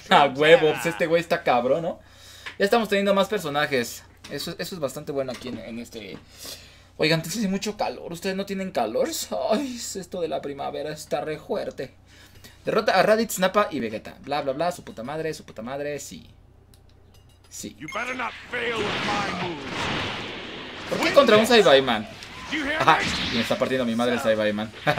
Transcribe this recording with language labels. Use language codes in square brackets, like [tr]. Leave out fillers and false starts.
[es] A huevo, pues este güey está cabrón, ¿no? Ya estamos teniendo más personajes. Eso es bastante bueno aquí en este. Oigan, entonces hace mucho calor. ¿Ustedes no tienen calor? Ay, esto de la primavera está re fuerte. Derrota a Raditz, Nappa y Vegeta. Bla, bla, bla, su puta madre, sí. Sí. [en] You better not fail with my moves. [es] ¿Por qué contra un Saibaiman? Ajá, y me está partiendo mi madre el Saibaiman.